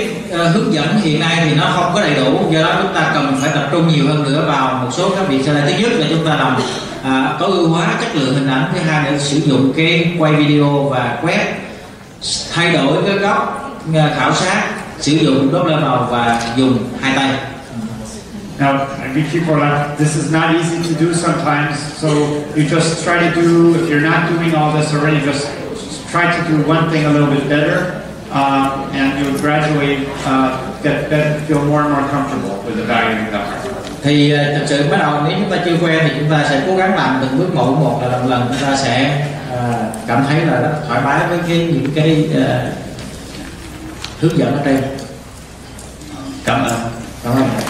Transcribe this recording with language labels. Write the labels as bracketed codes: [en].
[vi] Hướng dẫn hiện nay thì nó không có đầy đủ, do đó chúng ta cần phải tập trung nhiều hơn nữa vào một số các vị sai lầm. Thứ nhất là chúng ta làm có ưu hóa chất lượng hình ảnh. Thứ hai là sử dụng cái quay video và quét, thay đổi cái góc khảo sát, sử dụng Doppler màu và dùng hai tay. [en] Now, I mean, people, this is not easy to do sometimes, so you just try to do, if you're not doing all this already, just try to do one thing a little bit better, and you'll gradually feel more and more comfortable with evaluating the heart. [vi] Thì thực sự bắt đầu nếu chúng ta chưa quen thì chúng ta sẽ cố gắng làm từng bước một là lần lần chúng ta sẽ cảm thấy là rất thoải mái với cái những cái hướng dẫn ở đây. Cảm ơn.